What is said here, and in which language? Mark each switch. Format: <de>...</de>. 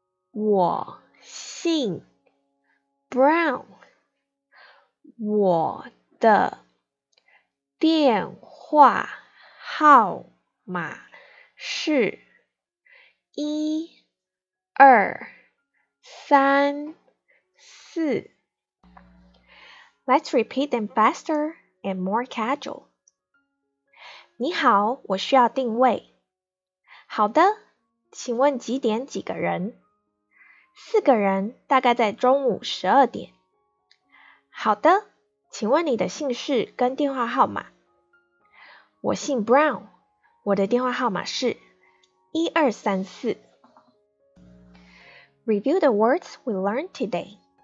<zh>我姓 Brown， 我的电话号码是1234。</zh> <en>Let's repeat them faster and more casual.</en> <zh>你好，我需要定位。好的，请问几点几个人？四个人，大概在中午12点。好的，请问你的姓氏跟电话号码？我姓 Brown， 我的电话号码是1234。</zh> <en>Review the words we learned today.</en>